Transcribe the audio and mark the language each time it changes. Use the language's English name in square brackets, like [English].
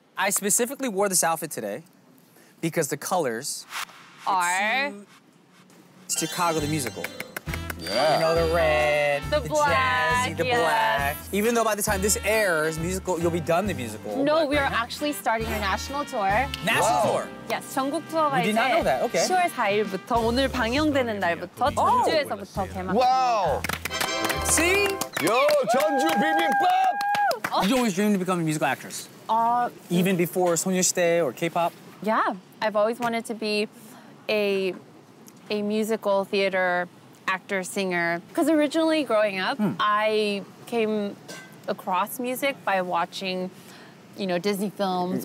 [English] I specifically wore this outfit today because the colors are Chicago the Musical. Yeah. You know, the red, the black, jazzy, the black. Even though by the time this airs, you'll be done the musical. No, we are actually starting our national tour. National tour? Yes, [Korean] 전국 투어가 이제 [English] did not know that, okay. [Korean] 10월 4일부터 오늘 방영되는 날부터 전주에서부터 개막합니다. [English] Wow! See? Yo, [Korean] 전주 비빔밥! [English] You always dreamed to become a musical actress? Even before 소녀시대 or K-pop? Yeah, I've always wanted to be a musical theater actor, singer. Because originally growing up, I came across music by watching, you know, Disney films.